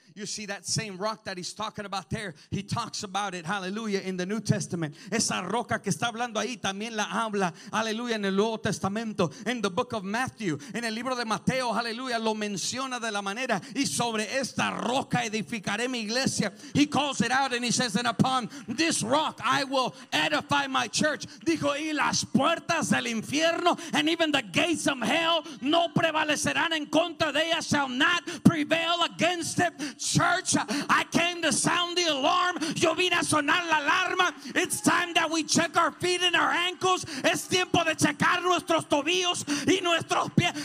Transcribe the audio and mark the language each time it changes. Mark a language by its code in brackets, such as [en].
[en] You see that same rock that he's talking about there. He talks about it, hallelujah, in the New Testament. [es] Esa roca que está hablando ahí también la habla, hallelujah, en el Nuevo Testamento. [en] In the book of Matthew, [es] en el libro de Mateo, hallelujah, lo menciona de la manera. Y sobre esta roca edificaré mi iglesia. [en] He calls it out and he says, and upon this rock I will edify my church. [es] Dijo, y las puertas del infierno [en] and even the gates of hell [es] no prevalecerán en contra de ella, [en] shall not prevail against it. Church, I came to sound the alarm. [es] Yo vine a sonar la alarma. [en] It's time that we check our feet and our ankles. [es] Es tiempo de checar nuestros tobillos y nuestros pies.